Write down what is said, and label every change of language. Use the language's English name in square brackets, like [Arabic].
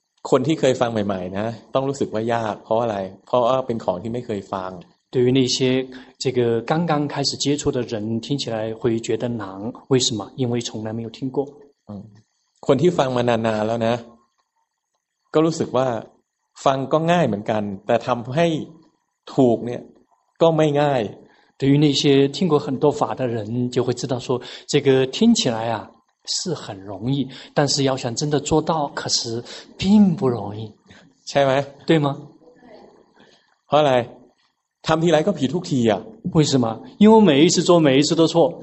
[Thai] คนที่เคยฟังใหม่ๆนะต้องรู้สึกว่ายากเพราะอะไรเพราะว่าเป็นของที่ไม่เคยฟัง [Chinese] 对于那些这个刚刚开始接触的人听起来会觉得难为什么因为从来没有听过 [Thai] คนที่ฟังมานานๆแล้วนะก็รู้สึกว่าฟังก็ง่ายเหมือนกันแต่ทำให้ถูกเนี่ยก็ไม่ง่าย [Chinese] 对于那些听过很多法的人就会知道说这个听起来啊是很容易但是要想真的做到可是并不容易 [Thai] ใช่ไหม [Chinese] 对吗 [Thai] เพราะอะไรทำทีไรก็ผิดทุกทีอ่ะ [Chinese] 为什么因为每一次做每一次都错